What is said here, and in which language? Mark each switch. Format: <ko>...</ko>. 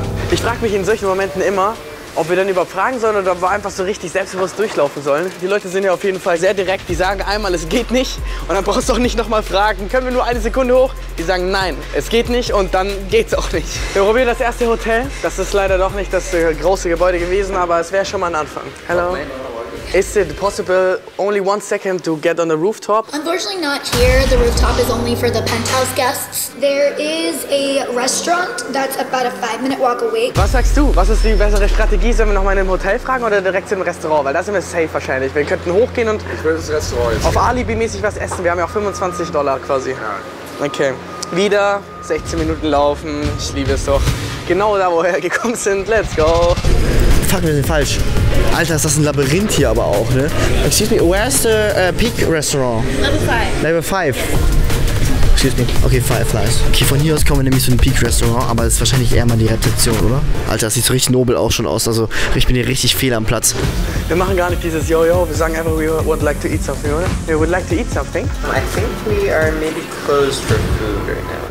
<de>ich frage mich in solchen Momenten immer, ob wir dann überfragen sollen oder ob wir einfach so richtig selbstbewusst durchlaufen sollen. Die Leute sind ja auf jeden Fall sehr direkt. Die sagen einmal, es geht nicht. Und dann brauchst du auch nicht nochmal fragen. Können wir nur eine Sekunde hoch? Die sagen nein, es geht nicht und dann geht's auch nicht. Wir probieren das erste Hotel. Das ist leider doch nicht das große Gebäude gewesen, aber es wäre schon mal ein Anfang.</de> <en>Hello. Is it possible only 1 second to get on the rooftop? Unfortunately not here. The rooftop is only for the penthouse guests. There is a restaurant that's about a 5 minute walk away.</en> <de>Was sagst du? Was ist die bessere Strategie? Sollen wir nochmal in einem Hotel fragen oder direkt zum Restaurant? Weil da sind wir safe wahrscheinlich. Wir könnten hochgehen und ich will das Restaurant jetzt auf Alibi-mäßig was essen. Wir haben ja auch $25 quasi. Ja. Okay. Wieder 16 Minuten laufen. Ich liebe es doch. Genau da, wo wir gekommen sind.</de> <en>Let's go.</en> <de>Fuck, wir sind falsch. Alter, ist das ein Labyrinth hier aber auch, ne?</de> <en>Excuse me, where's the peak restaurant? Level 5. Excuse me. Okay, Fireflies.</en> <de>Okay, von hier aus kommen wir nämlich zu einem Peak Restaurant, aber das ist wahrscheinlich eher mal die Rezeption, oder? Alter, das sieht so richtig nobel auch schon aus. Also, ich bin hier richtig fehl am Platz. Wir machen gar nicht dieses Yo-Yo, wir sagen einfach,</de> <en>we would like to eat something,</en> <de>oder?</de> <en>We would like to eat something. I think we are maybe closed for food right now.</en>